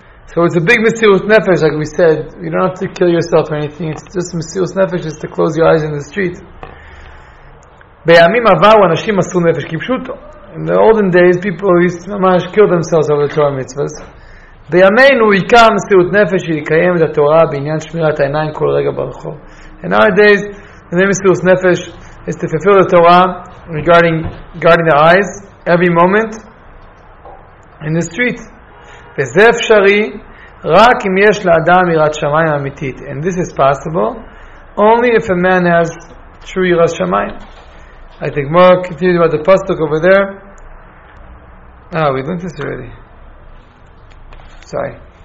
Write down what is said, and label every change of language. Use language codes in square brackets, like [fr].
[en] So it's a big mesilus nefesh, like we said. You don't have to kill yourself or anything. It's just mesilus nefesh, just to close your eyes in the street. [he] בימים עברו אנשים עשו נפש כפשוטו. [en] In the olden days, people used to ממש kill themselves over the Torah mitzvahs. [he] בימינו עיקר מסירות נפש היא לקיים את התורה בעניין שמירת העיניים כל רגע ברחוב. [en] And nowadays, the name מסירות נפש is to fulfill the Torah regarding guarding the eyes every moment in the street. [he] וזה אפשרי רק אם יש לאדם יראת שמיים אמיתית. [en] And this is possible only if a man has true יראת שמיים. I think more continued about the pasuk over there. Ah, we learned this already. Sorry.